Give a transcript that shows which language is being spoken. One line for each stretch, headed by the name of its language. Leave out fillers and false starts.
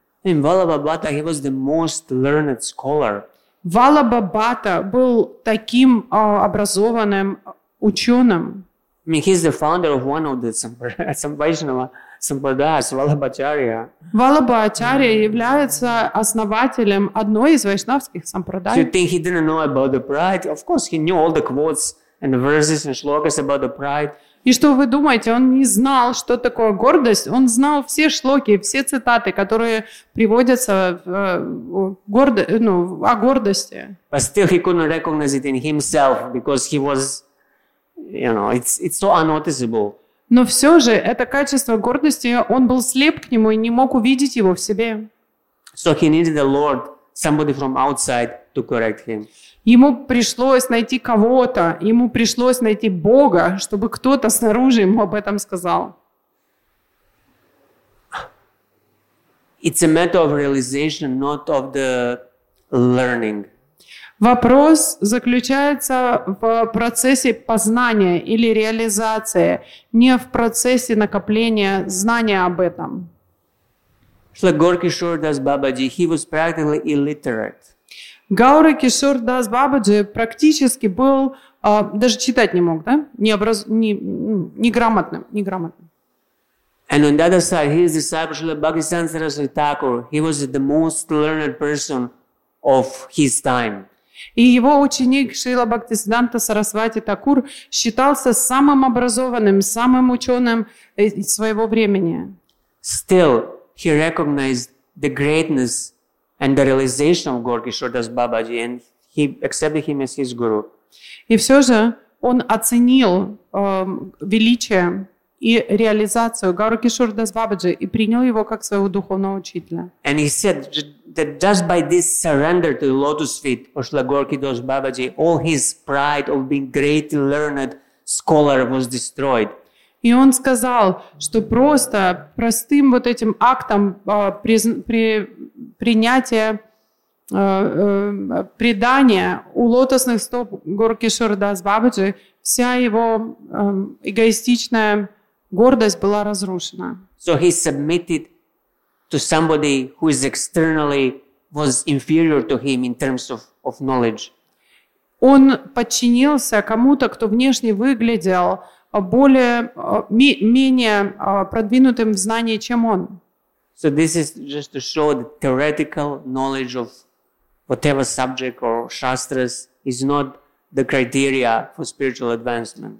English: In Vallabhabhatta, he was the most learned scholar.
Russian: Vallabhabhatta был таким образованным ученым.
English: I mean, he's the founder of one of the Vaishnava sampradayas, Vallabhacharya.
Russian: Vallabhacharya является основателем одной из вайшнавских сампрадай.
English: You think he didn't know about the pride? Of course, he knew all the quotes and the verses and shlokas about the pride.
Russian: И что вы думаете, он не знал, что такое гордость? Он знал все шлоки, все цитаты, которые приводятся о гордости.
English: But still he couldn't recognize it in himself because he was, you know, it's so unnoticeable.
Russian: Но все же это качество гордости, он был слеп к нему и не мог увидеть его в себе.
English: So he needed the Lord, somebody from outside to correct him.
Russian: Ему пришлось найти кого-то, ему пришлось найти Бога, чтобы кто-то снаружи ему об этом сказал.
English: It's a matter of realization, not of the learning.
Russian: Вопрос заключается в процессе познания или реализации, не в процессе накопления знания об этом.
English: Gaur Kishore Das Babaji, he was practically illiterate.
Russian: Гаура Кишор Дас Бабаджи практически был, даже читать не мог, да? Неграмотным.
English: And on the other side, his disciple Шрила Бхактисиддханта Сарасвати Тхакур, he was the most learned person of his time.
Russian: И его ученик Шрила Бхактисиддханта Сарасвати Тхакур считался самым образованным, самым ученым своего времени.
English: Still, he recognized the greatness and the realization of Gaur Kishore Das Babaji, and he accepted him as his guru.
Russian: И все же он оценил величие и реализацию Гаура Кишор Дас Бабаджи и принял его как своего духовного учителя.
English: And he said that just by this surrender to the lotus feet of Шрила Гаура Кишор Дас Бабаджи, all his pride of being great learned scholar was destroyed.
Russian: И он сказал, что просто простым вот этим актом предания у лотосных стоп Гаура Кишор Дас Бабаджи, вся его эгоистичная гордость была разрушена.
English: So he submitted to somebody who is externally was inferior to him in terms of knowledge.
Russian: Он подчинился кому-то, кто внешне выглядел более менее продвинутым в знании, чем он.
English: So this is just to show that theoretical knowledge of whatever subject or shastras is not the criteria for spiritual advancement.